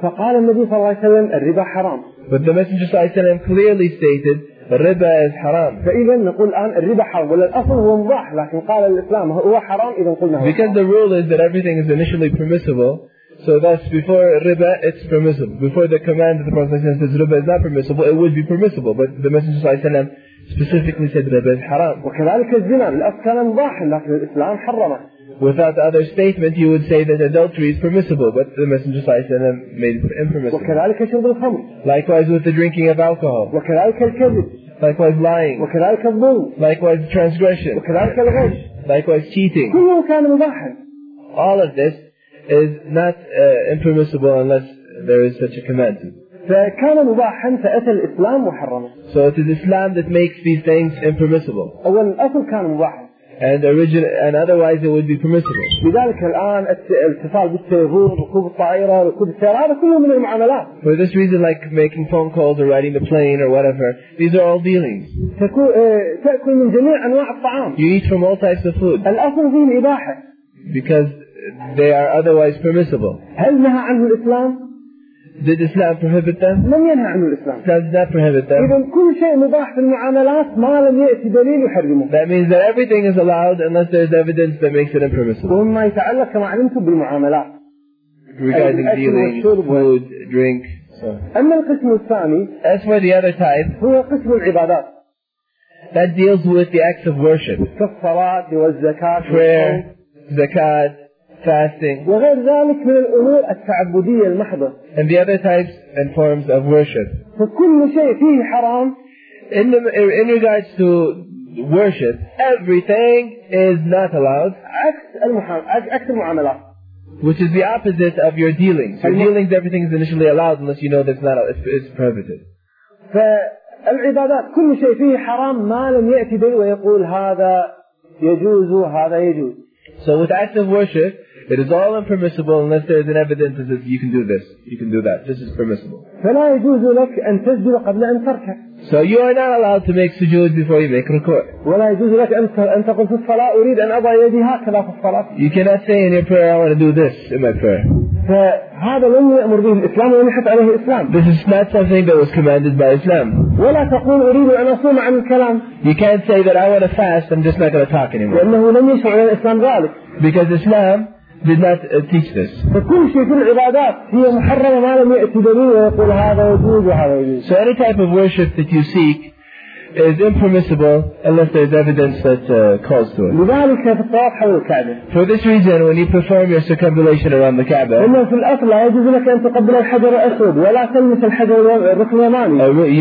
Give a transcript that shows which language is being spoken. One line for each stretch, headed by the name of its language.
Arabic: فقال النبي صلى الله عليه وسلم الربا حرام.
English: But the Messenger صلى الله عليه وسلم clearly stated الربا is حرام.
Arabic: فإذا نقول الآن الربا حرام ولا الأصل هو مباح لكن قال الإسلام هو حرام إذا قلنا.
English: Because the rule is that everything is initially permissible. So thus, before riba, it's permissible. Before the command of the Prophet ﷺ says riba is not permissible, it would be permissible. But the Messenger ﷺ specifically said riba is haram.
Arabic: وكذلك الزنا الأصل مباح لكن الإسلام حرمه.
English: Without other statement, you would say that adultery is permissible, but the Messenger ﷺ made it impermissible.
Arabic: وكذلك شرب الخمر.
English: Likewise with the drinking of alcohol.
Arabic: وكذلك الكذب.
English: Likewise lying.
Arabic: وكذلك الظلم.
English: Likewise transgression.
Arabic: وكذلك الغش.
English: Likewise cheating.
Arabic: كله كان مباح.
English: All of this is not impermissible unless there is such a command.
Arabic: فكان مباحا فأتى الإسلام وحرمه.
English: So it is Islam that makes these things impermissible.
Arabic: أول الأصل كان مباحا.
English: And and otherwise it would be permissible.
Arabic: لذلك الآن الاتصال بالتليفون ركوب الطائرة ركوب السيارة هذا كله من المعاملات.
English: For this reason, like making phone calls or riding the plane or whatever, these are all dealings.
Arabic: تأكل من جميع أنواع الطعام.
English: You eat from all types of food.
Arabic: الأصل فيه الإباحة.
English: Because they are otherwise permissible.
Arabic: هل نهى عنه الإسلام؟
English: Did Islam prohibit them?
Arabic: لم ينهى عنه الإسلام.
English: Islam did not prohibit them.
Arabic: إذن كل شيء مباح في المعاملات ما لم يأتي دليل يحرمه.
English: That means that everything is allowed unless there is evidence that makes it impermissible.
Arabic: وما يتعلق كما علمتم بالمعاملات.
English: Regarding dealing, food, drink.
Arabic: أما القسم الثاني.
English: As for the other type.
Arabic: هو قسم العبادات.
English: That deals with the acts of worship.
Arabic: الصلاة والزكاة.
English: Prayer, zakat. Fasting.
Arabic: وغير ذلك من الأمور التعبدية المحضة.
English: And the other types and forms of worship.
Arabic: فكل شيء فيه حرام.
English: In regards to worship, everything is not allowed.
Arabic: عكس المعاملة.
English: Which is the opposite of your dealings. Your dealings, everything is initially allowed unless you know that it's prohibited.
Arabic: فالعبادات كل شيء فيه حرام ما لم يأتي به ويقول هذا يجوز وهذا يجوز.
English: So with acts of worship, it is all impermissible unless there is an evidence that you can do this, you can do that. This is permissible.
Arabic: فَلَا يَجُوزُ لَكَ أَن تَسْجُدَ قَبْلَ أَن تَرْكَعَ.
English: So you are not allowed to make sujood before you make rukuk.
Arabic: وَلَا يَجُوزُ لَكَ أَن تَقُولَ فِي الصَّلَاةِ أُرِيدُ أَن أَضَعَ يَدِي هَكَذَا فِي الصَّلَاةِ.
English: You cannot say in your prayer, I want to do this in my prayer.
Arabic: فهذا لم يأمر به الإسلام ولم يحث عليه الإسلام.
English: This is not something that was commanded by Islam.
Arabic: ولا تقول أريد أن أصوم عن الكلام.
English: You can't say that I want to fast, I'm just not going to talk anymore.
Arabic: لأنه لم يشرع الإسلام ذلك.
English: Because Islam did not teach this.
Arabic: فكل شيء في العبادات هي محرمة ما لم يأتي دليل ويقول هذا يجوز وهذا يجوز.
English: So any type of worship that you seek is impermissible unless there is evidence that calls to it.
Arabic: لذلك في الطواف حول الكعبة.
English: For this reason, when you perform your circumambulation around the Kaaba.
Arabic: إنه في الأصل لا يجوز لك أن تقبل الحجر الأسود ولا تلمس الحجر الركن اليماني.